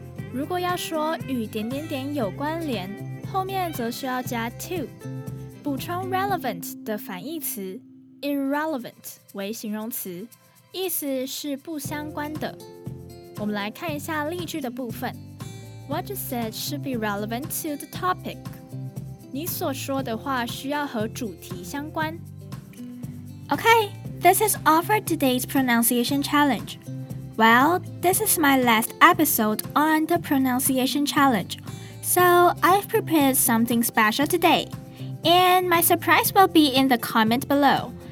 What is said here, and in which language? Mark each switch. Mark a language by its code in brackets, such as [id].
[zh] 如果要说与点点点有关联，后面则需要加 to 补充 relevant 的反义词 irrelevant 为形容词，意思是不相关的。我们来看一下例句的部分。 [en] What you said should be relevant to the topic. [zh] 你所说的话需要和主题相关。 [en] OK, this is all for today's pronunciation challenge. Well, this is my last episode on the pronunciation challenge. So, I've prepared something special today. And my surprise will be in the comment below.